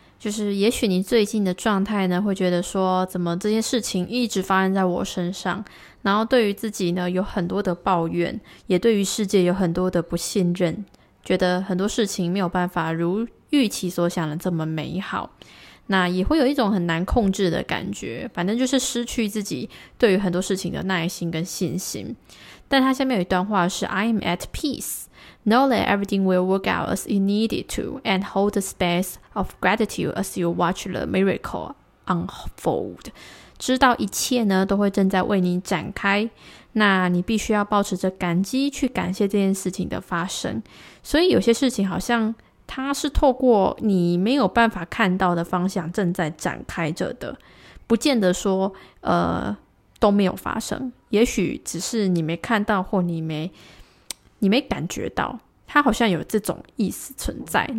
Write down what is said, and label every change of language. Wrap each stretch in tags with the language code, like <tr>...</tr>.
<zh>就是也许你最近的状态呢，会觉得说怎么这件事情一直发生在我身上，然后对于自己呢有很多的抱怨，也对于世界有很多的不信任，觉得很多事情没有办法如预期所想的这么美好。那也会有一种很难控制的感觉，反正就是失去自己对于很多事情的耐心跟信心。但他下面有一段话是</zh> <en>I am at peace, know that everything will work out as it needed to, and hold the space of gratitude as you watch the miracle unfold.</en> <zh>知道一切呢都会正在为你展开，那你必须要保持着感激去感谢这件事情的发生。所以有些事情好像它是透过你没有办法看到的方向正在展开着的，不见得说都没有发生，也许只是你没看到或你没感觉到，它好像有这种意思存在。</zh>